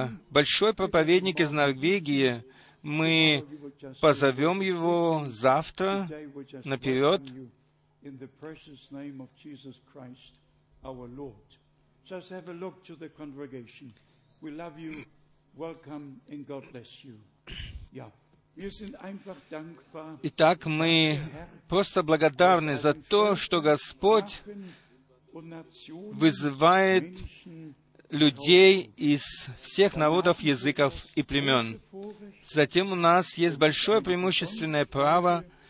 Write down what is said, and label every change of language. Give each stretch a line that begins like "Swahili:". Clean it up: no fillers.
Russian: Большой проповедник из Норвегии. Мы позовем его завтра наперед.
English: In the precious name of Jesus Christ, our Lord. Just have a look to the congregation. We love you. Welcome and God bless you. Yeah.
Russian: Итак, мы просто благодарны за то, что Господь вызывает людей из всех народов, языков и племен. Затем у нас есть большое преимущественное право.